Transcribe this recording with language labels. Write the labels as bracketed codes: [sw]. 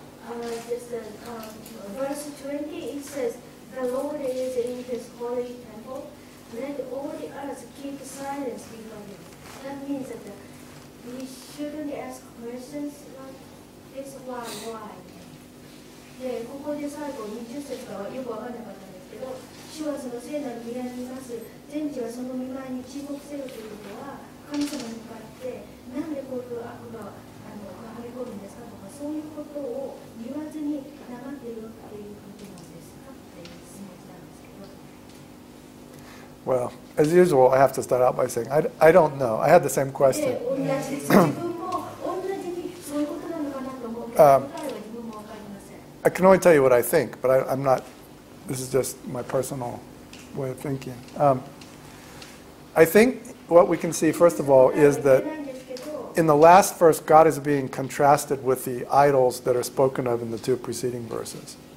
[en] Verse 20, it says, the Lord is in his holy temple, let all the earth keep silence before him. That means that we shouldn't ask questions like this, why? [ja] ここで最後20節かはよく分からなかったんですけど、主はその聖なる宮にいます、全地はその御前に沈黙せよということは、神様に向かって、なんでこういう悪が流れ込むんですかとか、そういうことを言わずに黙っているっていうことなんですかっていう質問したんですけど。 [en] Well, as usual, I have to start out by saying, I don't know. I had the same question. [ja] 同じにそういうことなのかなと思って。 [en] I can only tell you what I think, but I'm not, this is just my personal way of thinking. I think what we can see, first of all, is that in the last verse, God is being contrasted with the idols that are spoken of in the two preceding verses.